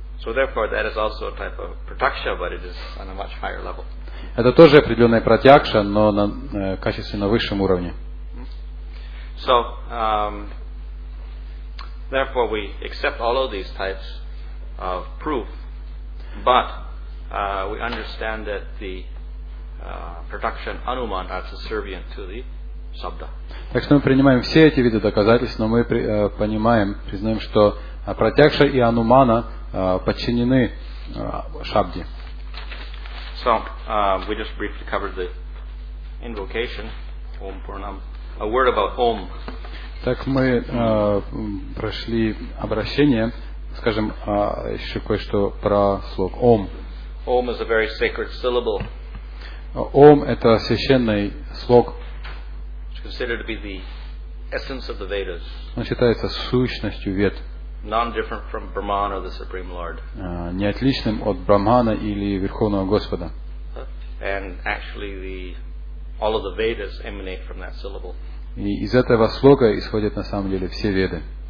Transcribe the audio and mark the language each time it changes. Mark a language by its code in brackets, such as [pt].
[en] So therefore, that is also a type of pratyaksha, but it is on a much higher level. [ru] Это тоже определенная пратьякша, но на качественно высшем уровне. [en] So, therefore, we accept all of these types of proof, but we understand that the production anuman are subservient to the sabda. [ru] Так что мы принимаем все эти виды доказательств, но мы понимаем, признаем, что пратьякша и анумана подчинены шабде. [en] So, we just briefly covered the invocation, Om Purnam. A word about Om. [ru] Так мы прошли обращение, скажем, еще кое-что про слог Om. [en] Om is a very sacred syllable. [ru] Om это священный слог. [en] It's considered to be the essence of the Vedas. [ru] Он считается сущностью Вед. [en] Non-different from Brahman or the Supreme Lord. [ru] Неотличным от Брахмана или Верховного Господа. [en] And actually, all of the Vedas emanate from that syllable. [ru] И из этого слога исходят на самом деле все веды.